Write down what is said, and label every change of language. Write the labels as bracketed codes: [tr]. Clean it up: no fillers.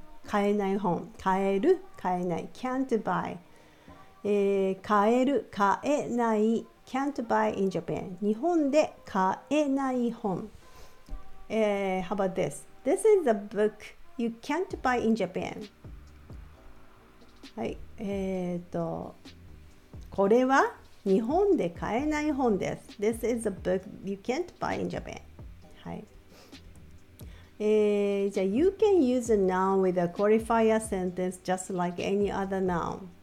[ja] 買えない本、買える買えない、 [en] can't buy、 [ja] 買える買えない、 [en] can't buy in Japan、 [ja] 日本で買えない本。 [en] How about this? This is a book you can't buy in Japan. [ja] はい、これは日本で買えない本です。 [en] This is a book you can't buy in Japan. [ja] はい、じゃあ [en] You can use a noun with a qualifier sentence just like any other noun.